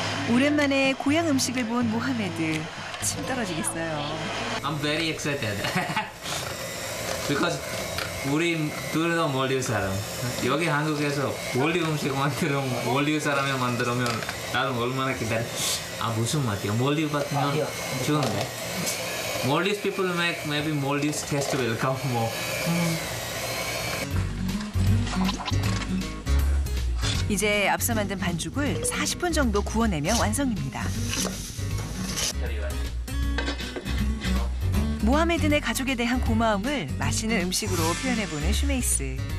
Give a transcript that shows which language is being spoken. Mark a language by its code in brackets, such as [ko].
[ko] 오랜만에 고향 음식을 본 모하메드 침 떨어지겠어요. [en] I'm very excited because [ko] 우리 둘은 몰디브 사람. 여기 한국에서 몰디브 음식 만들면 몰디브 사람이 만들면 나는 얼마나 기다려. 아 무슨 맛이야? 몰디브 같으면 좋은데. [en] Maldives people make maybe Maldives taste will come more. [ko] 이제 앞서 만든 반죽을 40분 정도 구워내면 완성입니다. 모하메드네 가족에 대한 고마움을 맛있는 음식으로 표현해보는 슈메이스.